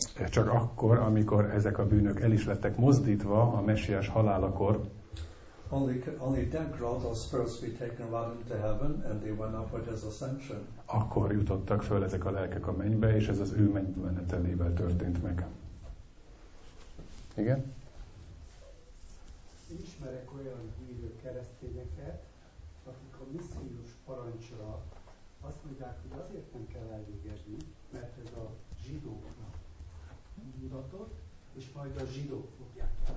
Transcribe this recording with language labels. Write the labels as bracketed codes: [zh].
[hu] Csak akkor, amikor ezek a bűnök el is lettek mozdítva a Mesiás halálakor, [en] only then could those spirits be taken right into heaven, and they went up with his ascension. [hu] Akkor jutottak föl ezek a lelkek a mennybe, és ez az ő mennybemenetelével történt meg. Igen? Ismerek olyan hívő keresztényeket, akik a missziós parancsra azt mondják, hogy azért nem kell elvégezni, mert ez a zsidóknak mutatott, és majd a zsidók fogják.